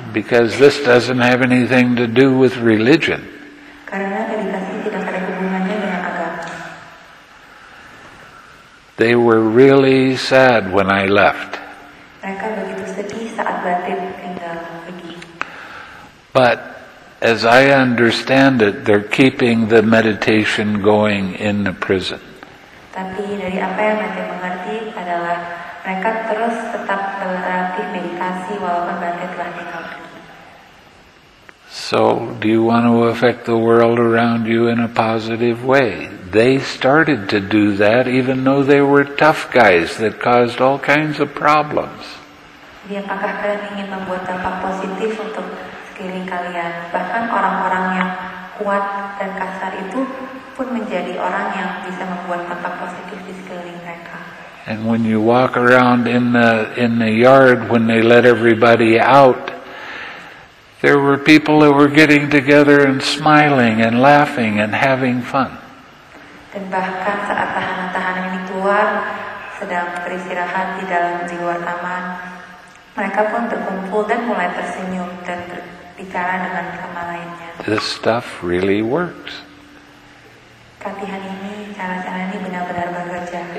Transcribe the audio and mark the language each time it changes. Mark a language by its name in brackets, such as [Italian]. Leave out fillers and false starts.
[English] Because this doesn't have anything to do with religion. [Indonesian] Karena meditasi tidak ada hubungannya dengan agama. [English] They were really sad when I left. [Indonesian] Mereka begitu sedih saat Batin tinggal pergi. [English] But as I understand it, they're keeping the meditation going in the prison. [Indonesian] Tapi dari apa yang Batin mengerti adalah mereka terus tetap berlatih meditasi walaupun Batin telah tinggal. [English] So, do you want to affect the world around you in a positive way? They started to do that even though they were tough guys that caused all kinds of problems. [Indonesian] Jadi, apakah kalian ingin membuat dampak positif untuk sekeliling kalian? Bahkan orang-orang yang kuat dan kasar itu pun menjadi orang yang bisa membuat dampak positif di sekeliling mereka. [English] And when you walk around in the yard when they let everybody out, there were people that were getting together and smiling and laughing and having fun. [Indonesian] Dan bahkan saat tahanan-tahanan ini keluar, sedang beristirahat di dalam jiwa taman, mereka pun berkumpul dan mulai tersenyum dan berbicara dengan sama lainnya. [English] This stuff really works. [Indonesian] Latihan ini, cara-cara ini benar-benar bekerja.